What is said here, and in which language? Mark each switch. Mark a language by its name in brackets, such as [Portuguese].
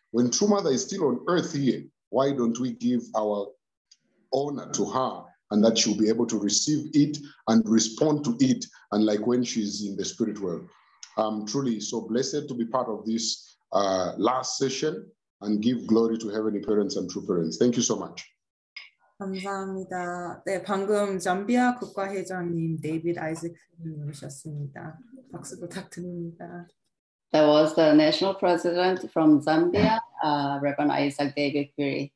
[English] When True Mother is still on earth here, why don't we give our honor to her, and that she'll be able to receive it and respond to it, and like when she's in the spirit world. I'm truly so blessed to be part of this last session and give glory to heavenly parents and true parents. Thank you so much. [Korean] 감사합니다. 네, 방금 잠비아 국가회장님 데이빗 아이즈크님 모셨습니다. 박수 부탁드립니다. [English] That was the national president from Zambia, Reverend Isaac David Quiry.